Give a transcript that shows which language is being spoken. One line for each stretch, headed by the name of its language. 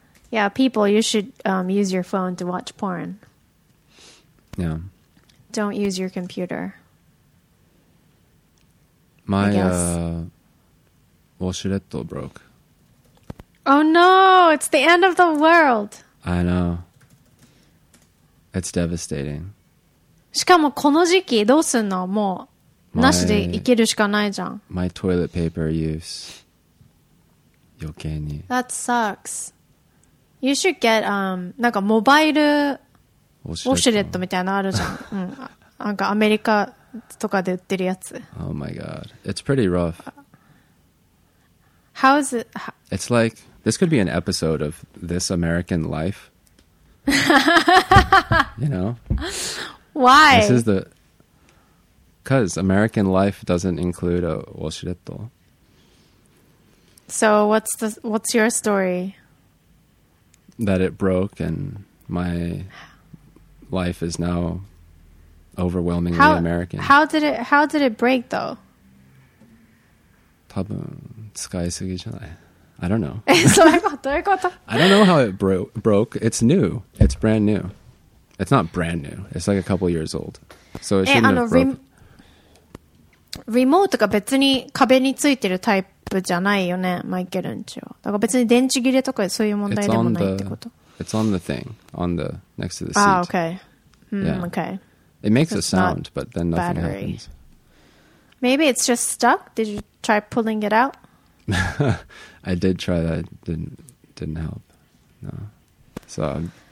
English: Yeah, people, you should use your phone to watch porn. Yeah. Don't use your computer. My washeretto broke. Oh no, it's the end of the world. I know. It's devastating.
Japanese: しかもこの時期どうすんの？もうなしでいけるしかないじゃん。
English: My toilet paper use
Japanese: 余計に。
English: That sucks. You should get
Japanese: なんかモバイルウォシュレットみたいなのあるじゃん。うん。なんかアメリカとかで売ってるやつ。
English: Oh my god. It's pretty rough. How is it? It's like, this could be an episode of This American Life. You know? Why? This is the... Because American life doesn't include a washeretto. So what's your story? That it broke and my life is now overwhelmingly American. How did it break though?
Japanese: 多分使いすぎじゃない?
English: I don't know.
Japanese: どういうこと?どういうこと?
English: I don't know how it broke. It's new. It's brand new. It's not brand new. It's like a couple years old. So it shouldn't have broken.
Japanese: Remote が別に壁についてるタイプじゃないよね、マイケルんちは。だから別に電池切れとかそういう問題でもないってこと。
English: It's on the thing, on the next to the seat. Ah, okay. Mm, yeah. Okay. It makes a sound, but then nothing happens. Maybe it's just stuck. Did you try pulling it out? I did try that. It didn't help. No. So.